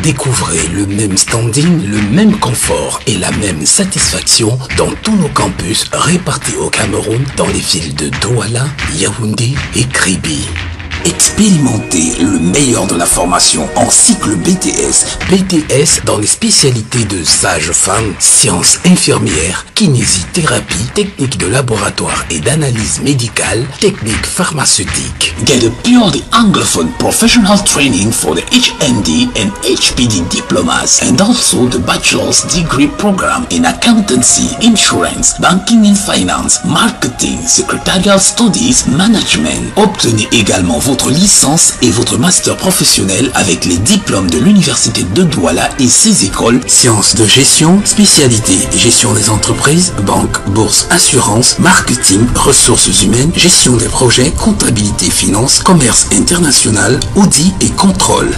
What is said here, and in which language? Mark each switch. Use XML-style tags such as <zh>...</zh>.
<fr>Découvrez le même standing, le même confort et la même satisfaction dans tous nos campus répartis au Cameroun dans les villes de Douala, Yaoundé et Kribi. Expérimentez le meilleur de la formation en cycle BTS. BTS dans les spécialités de sage-femme, sciences infirmières, kinésithérapie, technique de laboratoire et d'analyse médicale, technique pharmaceutique.</fr> <en>Get a purely anglophone professional training for the HND and HPD diplomas and also the bachelor's degree program in accountancy, insurance, banking and finance, marketing, secretarial studies, management.</en> <fr>Obtenez également votre licence et votre master professionnel avec les diplômes de l'Université de Douala et ses écoles, sciences de gestion, spécialité, gestion des entreprises, banque, bourse, assurance, marketing, ressources humaines, gestion des projets, comptabilité, finance, commerce international, audit et contrôle.</fr>